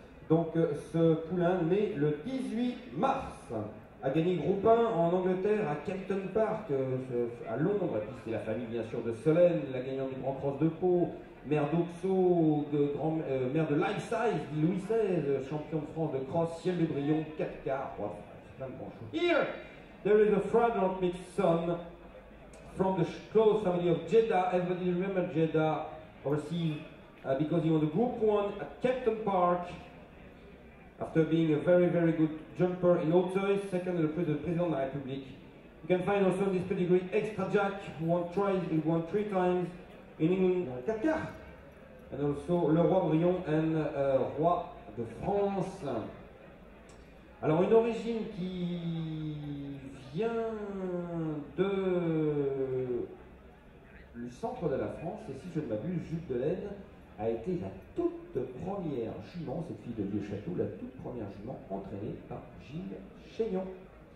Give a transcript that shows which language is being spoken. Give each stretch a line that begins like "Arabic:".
French: Donc ce poulain né le 18 mars, a gagné groupe 1 en Angleterre à Kempton Park, à Londres, et puis c'est la famille bien sûr de Solène, la gagnante du Grand Cross de Pau, mère d'Auxeau, mère de Life Size, dit Louis XVI, champion de France de cross, ciel de Brion, 4 quarts, wow, c'est plein de grands choses.
English: Here, there is a Fragrant Mix son from the close family of Jeddah. Everybody remember Jeddah overseas because he won the group 1 at Kempton Park. After being a very, very good jumper in Auteuil, second in the President of the Republic. You can find also this pedigree, Extra Jack, who won twice, he won three times in England, Kakar. And also Le Roi Brion and Roi de France.
French: Alors, une origine qui vient de le centre de la France, et si je ne m'abuse, Jules Delaine a été la toute première jument, cette fille de Vieux Château, la toute première jument entraînée par Gilles Chénion.